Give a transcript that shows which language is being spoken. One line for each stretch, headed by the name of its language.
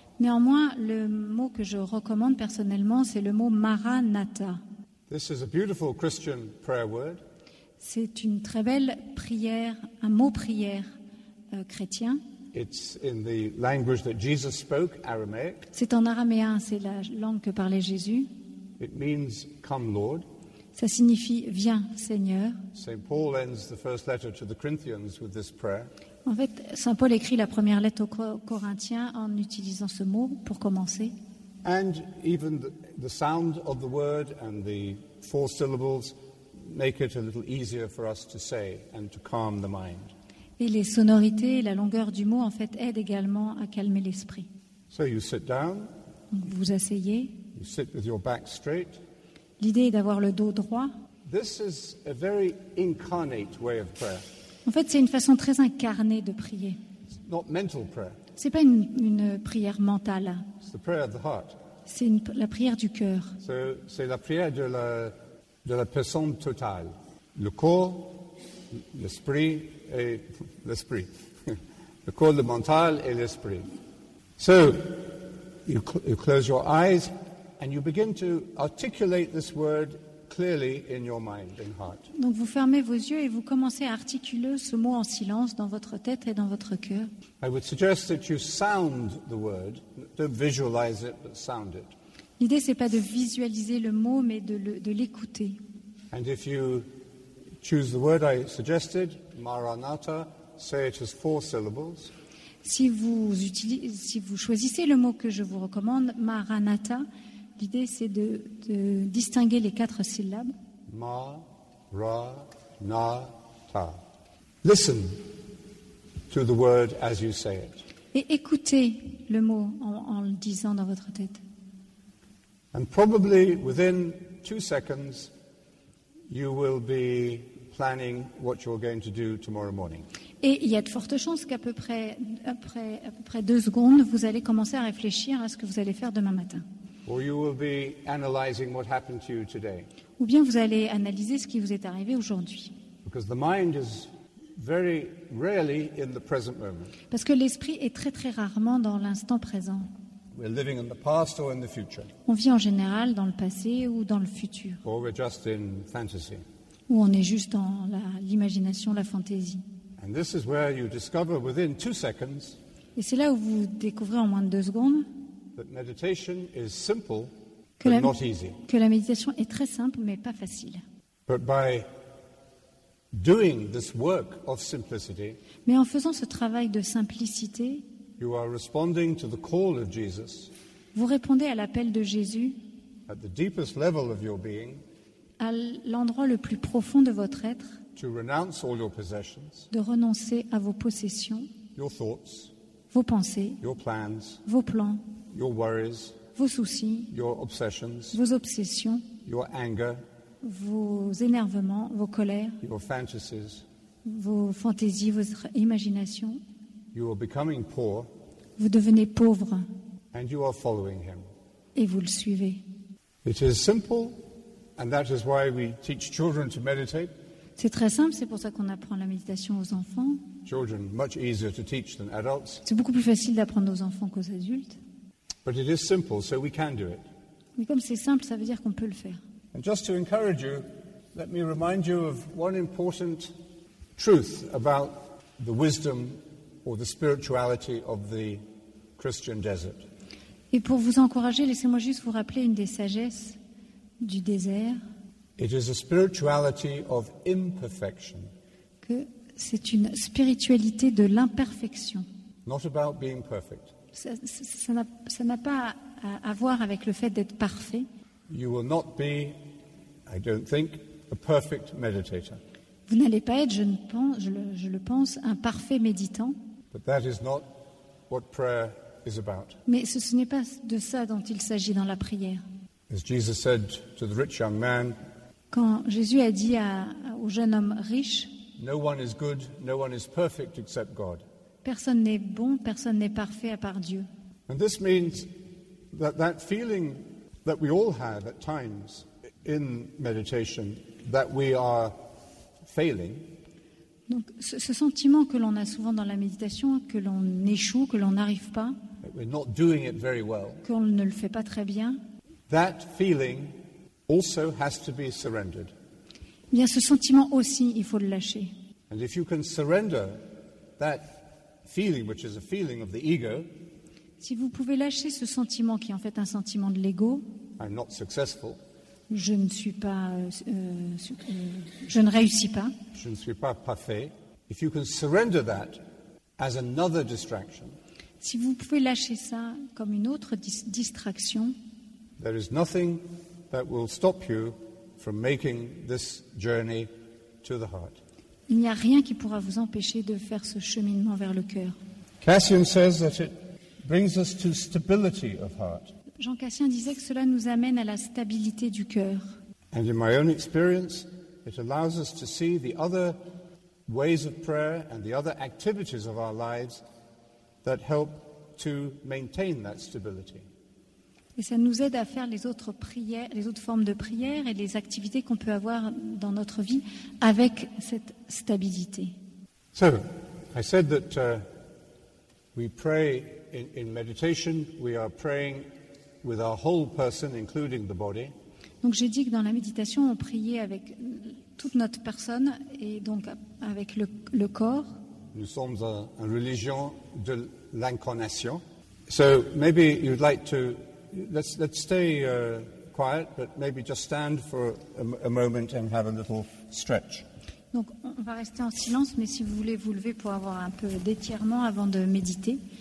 French: Néanmoins, le mot que je recommande personnellement, c'est le mot Maranatha.
English: This is a beautiful Christian prayer word.
French: C'est une très belle prière, un mot prière chrétien.
English: It's in the language that Jesus spoke, Aramaic.
French: C'est en araméen, c'est la langue que parlait Jésus.
English: It means come Lord.
French: Ça signifie viens Seigneur.
English: Saint Paul ends the first letter to the Corinthians with this prayer.
French: En fait, Saint Paul écrit la première lettre aux Corinthiens en utilisant ce mot pour commencer.
English: And even the sound of the word and the four syllables make it a little easier for us to say and to calm the mind.
French: Et les sonorités et la longueur du mot en fait aident également à calmer l'esprit.
English: So you sit down.
French: Donc vous asseyez.
English: You sit with your back straight.
French: L'idée est d'avoir le dos droit.
English: This is a very incarnate way of prayer.
French: En fait, c'est une façon très incarnée de prier.
English: Not mental prayer.
French: C'est pas une prière mentale.
English: It's the prayer of the heart.
French: C'est la prière du cœur. So, c'est la prière de la personne totale. Le corps, l'esprit et l'esprit. Le corps, le mental et l'esprit.
English: So, you close your eyes and you begin to articulate this word clearly in your mind and heart.
French: Donc vous fermez vos yeux et vous commencez à articuler ce mot en silence dans votre tête et dans votre cœur.
English: I would suggest that you sound the word. Don't visualize it, but sound it.
French: L'idée, ce n'est pas de visualiser le mot, mais de l'écouter.
English: And if you choose the word I suggested, Maranatha, say it as four syllables.
French: Si vous choisissez le mot que je vous recommande, Maranatha, l'idée, c'est de distinguer les quatre syllabes. Maranatha.
English: Listen to the word as you say it.
French: Et écoutez le mot en le disant dans votre tête.
English: And probably within 2 seconds, you will be planning what you're going to do tomorrow morning.
French: Et il y a de fortes chances qu'à peu près après 2 secondes, vous allez commencer à réfléchir à ce que vous allez faire demain matin.
English: Or you will be analyzing what happened to you today.
French: Ou bien vous allez analyser ce qui vous est arrivé aujourd'hui.
English: Because the mind is very rarely in the present moment.
French: Parce que l'esprit est très très rarement dans l'instant présent.
English: We're living in the past or in the future.
French: On vit en général dans le passé ou dans le futur.
English: Or we're just in fantasy.
French: Ou on est juste dans l'imagination, la fantaisie.
English: And this is where you discover within 2 seconds.
French: Et c'est là où vous découvrez en moins de 2 secondes.
English: That meditation is simple, but not easy.
French: Que la méditation est très simple, mais pas facile.
English: But by doing this work of simplicity.
French: Mais en faisant ce travail de simplicité.
English: You are responding to the call of Jesus.
French: Vous répondez à l'appel de Jésus.
English: At the deepest level of your being.
French: À l'endroit le plus profond de votre être.
English: To renounce all your possessions.
French: De renoncer à vos possessions.
English: Your thoughts.
French: Vos pensées.
English: Your plans.
French: Vos plans.
English: Your worries.
French: Vos soucis.
English: Your obsessions.
French: Vos obsessions.
English: Your anger.
French: Vos énervements, vos colères.
English: Your fantasies.
French: Vos fantaisies, vos imaginations.
English: You are becoming poor.
French: Vous devenez pauvre.
English: And you are following him.
French: Et vous le suivez.
English: It is simple, and that is why we teach children to meditate.
French: C'est très simple, c'est pour ça qu'on apprend la méditation aux enfants.
English: Children much easier to teach than adults.
French: C'est beaucoup plus facile d'apprendre aux enfants qu'aux adultes.
English: But it is simple, so we can do it.
French: Mais comme c'est simple, ça veut dire qu'on peut le faire.
English: And just to encourage you, let me remind you of one important truth about the wisdom or the spirituality of the Christian desert.
French: Et pour vous encourager, laissez-moi juste vous rappeler une des sagesses du désert.
English: It is a spirituality of imperfection.
French: Que c'est une spiritualité de l'imperfection.
English: Not about being perfect.
French: Ça n'a pas à voir avec le fait d'être parfait.
English: You will not be, I don't think, a perfect meditator.
French: Vous n'allez pas être, je le pense, un parfait méditant.
English: But that is not what prayer is about.
French: Mais ce n'est pas de ça dont il s'agit dans la prière.
English: As Jesus said to the rich young man,
French: quand Jésus a dit au jeune homme riche,
English: no one is good, no one is perfect except God.
French: Personne n'est bon, personne n'est parfait à part Dieu.
English: And this means that feeling that we all have at times in meditation, that we are failing.
French: Donc, ce sentiment que l'on a souvent dans la méditation, que l'on échoue, que l'on n'arrive pas,
English: we're not doing it very well,
French: qu'on ne le fait pas très bien,
English: that feeling also has to be surrendered.
French: Bien, ce sentiment aussi, il faut le lâcher.
English: And if you can surrender that feeling, which is a feeling of the ego,
French: si vous pouvez lâcher ce sentiment qui est en fait un sentiment de l'ego,
English: I'm not successful.
French: Je ne suis pas, je ne réussis pas. Je ne suis pas parfait.
English: If you can surrender that as another distraction,
French: si vous pouvez lâcher ça comme une autre distraction,
English: there is nothing that will stop you from making this journey to the heart.
French: Il n'y a rien qui pourra vous empêcher de faire ce cheminement vers le cœur.
English: Cassian says that it brings us to stability of heart.
French: Jean Cassien disait que cela nous amène à la stabilité du cœur.
English: And in my own experience, it allows us to see the other ways of prayer and the other activities of our lives that help to maintain that stability.
French: Et ça nous aide à faire les autres prières, les autres formes de prière et les activités qu'on peut avoir dans notre vie avec cette stabilité.
English: So, I said that we pray in meditation, we are praying with our whole person, including the body.
French: Donc j'ai dit que dans la méditation, on priait avec toute notre personne et donc avec le corps. Nous sommes une religion de l'incarnation.
English: So maybe you'd like to, let's stay quiet, but maybe just stand for a moment and have a little stretch.
French: Donc on va rester en silence, mais si vous voulez vous lever pour avoir un peu d'étirement avant de méditer.